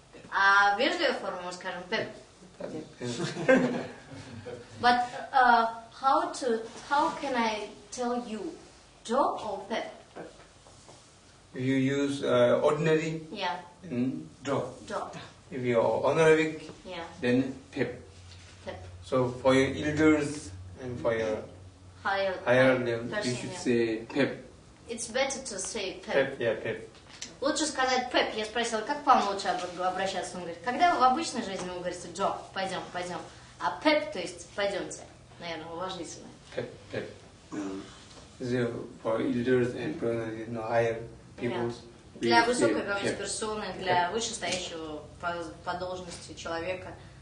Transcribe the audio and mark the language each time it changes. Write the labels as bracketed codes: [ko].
[ru] А вежливая форма, мы скажем, pep. [en] But how can I tell you, do or pep? If you use ordinary, yeah. [bo] Do. Do. [en] If you are honorific, yeah. Then pep. [bo] Pep. [en] So for your elders and for your Higher level, you should say pep. It's better to say pep. [bo] Pep, yeah, pep. [ru] Лучше сказать pep. Я спросила, как вам лучше обращаться? Он говорит, когда в обычной жизни вы говорите джо, пойдем, пойдем. А pep, то есть пойдемте, наверное, уважительно. [bo] Pep, pep. [en] So for elders and pregnant, you know, higher people. Yeah. [ru] Для высокой какой-то персоны, для pep. Вышестоящего по должности человека.